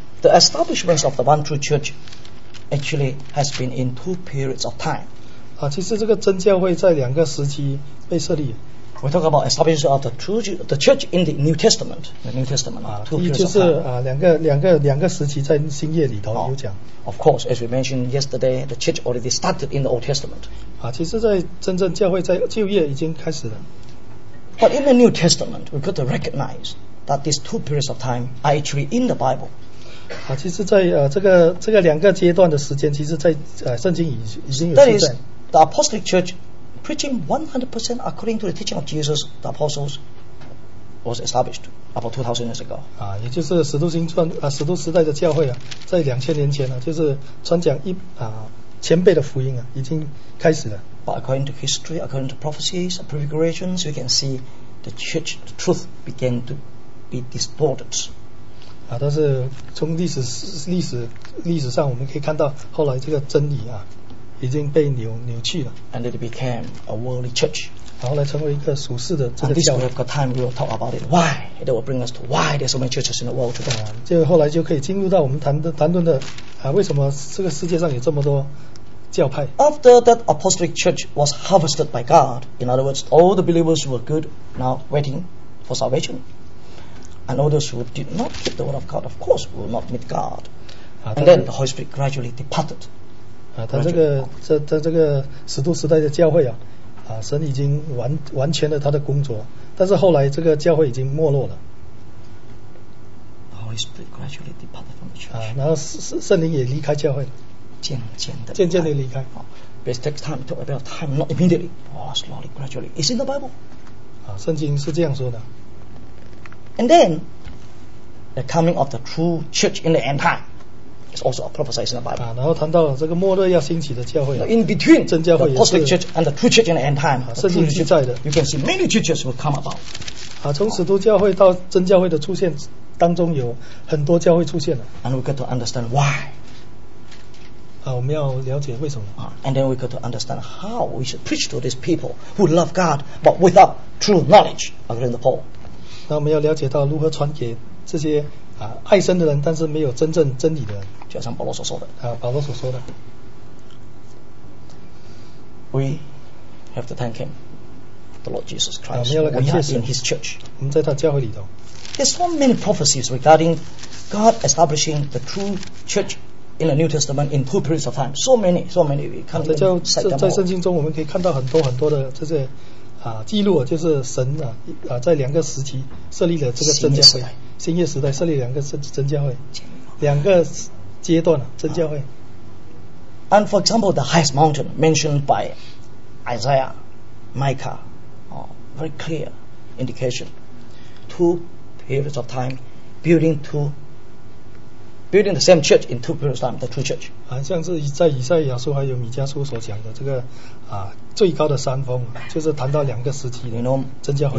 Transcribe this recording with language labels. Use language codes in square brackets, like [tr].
[en] That is, the establishment of the one true church actually has been in two periods of time. [zh] 啊，其实这个真教会在两个时期被设立。 [en] We talk about establishment of the church in the New Testament. The New Testament. [zh] 啊，第一就是啊，两个时期在新约里头有讲。 [en] Of course, as we mentioned yesterday, the church already started in the Old Testament. [zh] 啊，其实，在真正教会在旧约已经开始了。 [en] But in the New Testament, we got to recognize that these two periods of time are actually in the Bible. [zh] 啊，其实在这个两个阶段的时间，其实在圣经已经有记载。 [en] That is the apostolic church. Preaching 100% according to the teaching of Jesus, the apostles was established about 2,000 years ago. [zh] 啊，也就是使徒行传啊，使徒时代的教会啊，在2000年前呢、啊，就是传讲一啊前辈的福音啊，已经开始了。 [en] But according to history, according to prophecies, prefigurations, we can see the church, the truth began to be distorted. [zh] 啊，但是从历史上，我们可以看到后来这个真理啊。已经被扭曲了 [en] ，and it became a worldly church. [zh] 然后来成为一个属世的这个教会。 [en] And this will have time we will talk about it. Why? It will bring us to why there's so many churches in the world today. [zh] 就后来就可以进入到我们谈论的啊，为什么这个世界上有这么多教派 [en] ？After that apostolic church was harvested by God, in other words, all the believers who were good now waiting for salvation, and all those who did not keep the word of God, of course, will not meet God. And then the Holy Spirit gradually departed. [zh] 啊、他这个使徒时代的教会啊，啊，神已经完全了他的工作，但是后来这个教会已经没落了。 [en] Holy Spirit gradually departed from the church. [zh] 啊，然后圣灵也离开教会了，渐渐的离开。 [en] It takes time, took a bit of time, not immediately. Oh, slowly, gradually. It's in the Bible. [zh] 啊，圣经是这样说的。 [en] And then the coming of the true church in the end time. It's also a prophecy in the Bible. [zh] 啊，然后谈到了这个末日要兴起的教会。 [en] In between [zh] 真教会 [en] the apostolic church and the true church in the end time, [zh] 圣经记载的 [en] ，you can see many churches will come about. [zh] 啊，从使徒教会到真教会的出现，当中有很多教会出现了。 [en] And we got to understand why. [zh] 啊，我们要了解为什么。 [en] And then we got to understand how we should preach to these people who love God but without true knowledge, according to Paul. [zh] 那我们要了解到如何传给这些。啊、爱神的人但是没有真正真理的人就像保罗所说的、啊、保罗所说的 [en] We have to thank him the Lord Jesus Christ、 [zh] 啊、我们要来感谢神 [en] We are in his church [zh] 我们在他教会里头 [en] There's so many prophecies regarding God establishing the true church in the New Testament in two periods of time so many we can't even cite them all [zh] 在圣经中我们可以看到很多很多的这些、啊、记录就是神、啊啊、在两个时期设立了这个真教会新约时代设立两个真教会，两个阶段真教会。 [en] And for example, the highest mountain mentioned by Isaiah, Micah, very clear indication. Two periods of time, building the same church in two periods of time, the true church. [zh] 好像是在以赛亚书还有米迦书所讲的这个啊最高的山峰，就是谈到两个时期的真教会。